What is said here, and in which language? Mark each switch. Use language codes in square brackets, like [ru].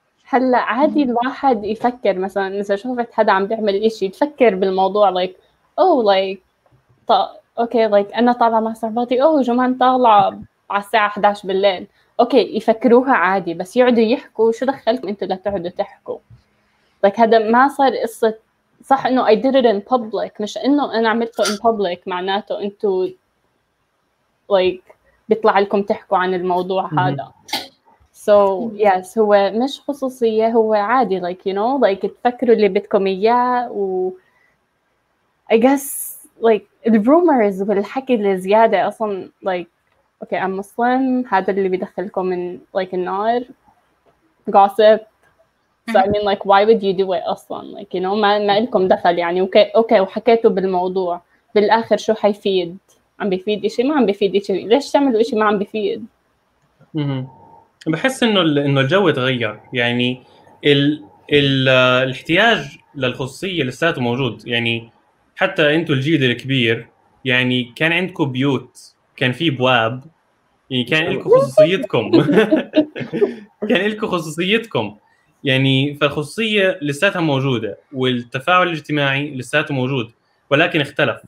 [ar] هلا عادي الواحد يفكر، مثلا إذا شوفت حدا عم بيعمل إشي تفكر بالموضوع like oh like okay like أنا طالعة مع صحباتي، أوه جمان طالعة على الساعة 11 بالليل، أوكي يفكروها عادي، بس يقعدوا يحكوا شو دخلكم أنتوا لا تقعدوا تحكوا like هذا ما صار قصة صح إنه I did it in public، مش إنه أنا عملته in public معناته أنتوا like بيطلع لكم تحكوا عن الموضوع هذا. So yes، هو مش خصوصية، هو عادي like you know like تفكروا اللي بدكم إياه. و I guess like the rumors والحكي الزيادة أصلاً like okay I'm Muslim، هذا اللي بيدخلكم من like النار gossip. [en] So I mean like why would you do it أصلاً like you know ما لكم دخل يعني. [ar] okay وحكيتوا بالموضوع بالآخر شو حيفيد؟ عم بيفيد إشي؟ ما عم بيفيد إشي. ليش تعملوا إشي ما عم بيفيد؟ بحس انه الجو تغير، يعني الاحتياج للخصوصية لساته موجود. يعني حتى انتو الجيل الكبير يعني كان عندكم بيوت، كان في بواب، يعني كان لكم خصوصيتكم كان لكم خصوصيتكم يعني، فالخصوصية لساتها موجودة والتفاعل الاجتماعي لساته موجود، ولكن اختلف.